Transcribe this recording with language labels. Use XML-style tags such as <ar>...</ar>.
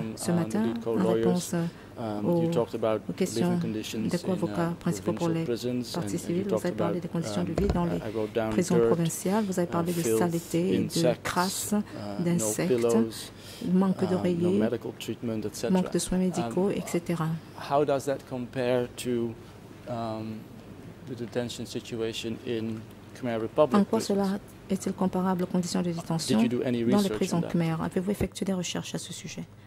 <fr>Ce matin, en réponse aux questions des co-avocats principaux pour les parties civiles, vous avez parlé des conditions de vie dans les prisons provinciales, vous avez parlé de saleté, de crasse, d'insectes, manque d'oreillers, manque de soins médicaux, etc.</fr> <en>How does that compare to the detention situation in Khmer Republic?</en> <fr>En quoi cela est-il comparable aux conditions de détention dans les prisons Khmer? Avez-vous effectué des recherches à ce sujet?</fr>